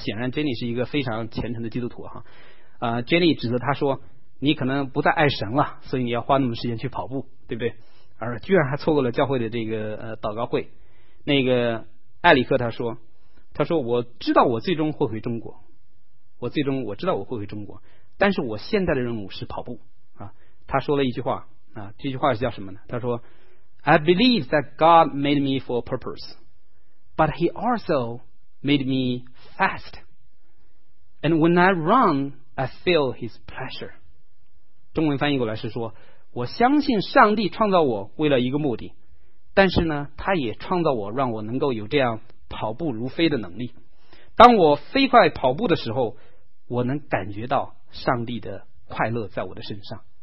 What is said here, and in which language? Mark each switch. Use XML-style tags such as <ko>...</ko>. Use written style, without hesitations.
<zh>显然 ，Jenny 是一个非常虔诚的基督徒哈。Jenny 指责他说：“你可能不再爱神了，所以你要花那么时间去跑步，对不对？” 而居然还错过了教会的这个祷告会。那个埃里克他说：“我知道我最终会回中国，我知道我会回中国，但是我现在的任务是跑步啊。” 他说了一句话啊，这句话是叫什么呢？</zh> <en>他说 ：“I believe that God made me for a purpose.” But he also made me fast. And when I run, I feel his pleasure.</en> <zh>中文翻译过来是说，我相信上帝创造我为了一个目的，但是呢，他也创造我让我能够有这样跑步如飞的能力。当我飞快跑步的时候，我能感觉到上帝的快乐在我的身上。</zh>